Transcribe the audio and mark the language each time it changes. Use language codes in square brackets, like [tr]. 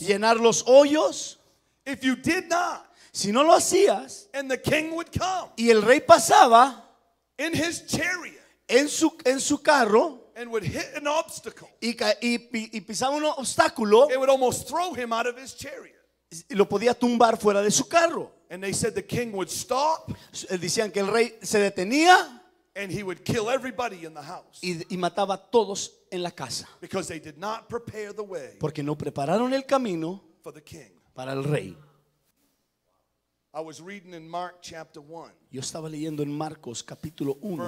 [es] Llenar los hoyos. [en] If you did not, [es] si no lo hacías, [en] and the king would come, [es] y el rey pasaba, [en] in his chariot, [es] en su carro, [en] and would hit an obstacle, [es] y pisaba un obstáculo, [en] it would almost throw him out of his chariot, [es] y lo podía tumbar fuera de su carro. [en] And they said the king would stop, [es] decían que el rey se detenía, [en] and he would kill everybody in the house, [es] y mataba a todos en la casa, [en] because they did not prepare the way, [es] porque no prepararon el camino, [en] for the king. [es] Para el rey. [en] I was reading in Mark chapter 1. [es] Yo estaba leyendo en Marcos capítulo 1.